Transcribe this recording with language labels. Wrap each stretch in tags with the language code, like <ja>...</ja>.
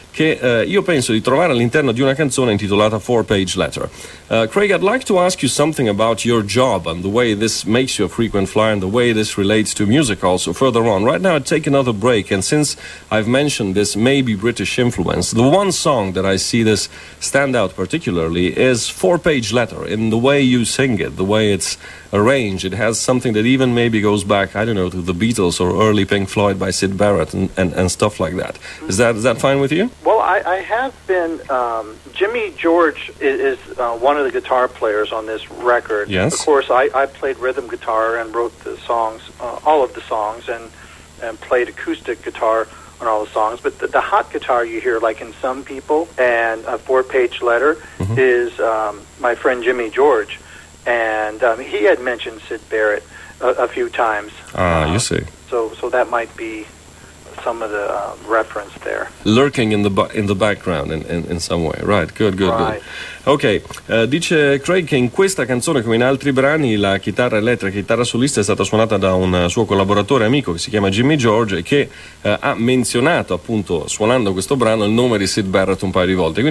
<it>che io penso di trovare all'interno di una canzone intitolata Four Page Letter.</it> <en>Craig, I'd like to ask you something about your job and the way this makes you a frequent flyer and the way this relates to music also further on. Right now I take another break, and since I've mentioned this maybe British influence, the one song that I see this stand out particularly is Four Page Letter, in the way you sing it, the way it's arranged. It has something that even maybe goes back, I don't know, to the Beatles or early Pink Floyd by Sid Barrett and stuff like that. Is that fine with you? Well, I have been, Jimmy George is one of the guitar players on this record. Yes. Of course, I played rhythm guitar and wrote the songs, all of the songs, and played acoustic guitar on all the songs. But the hot guitar you hear, like in Some People and A Four Page Letter, mm-hmm. is my friend Jimmy George. And he had mentioned Sid Barrett a few times. You see. So that might be some of the reference there. Lurking in the background in some way. Right, good. Right.</en> <it>Ok, dice Craig che in questa canzone, come in altri brani, la chitarra elettrica, chitarra solista, è stata suonata da un suo collaboratore amico che si chiama Jimmy George, e che ha menzionato, appunto suonando questo brano, il nome di Sid Barrett un paio di volte.</it>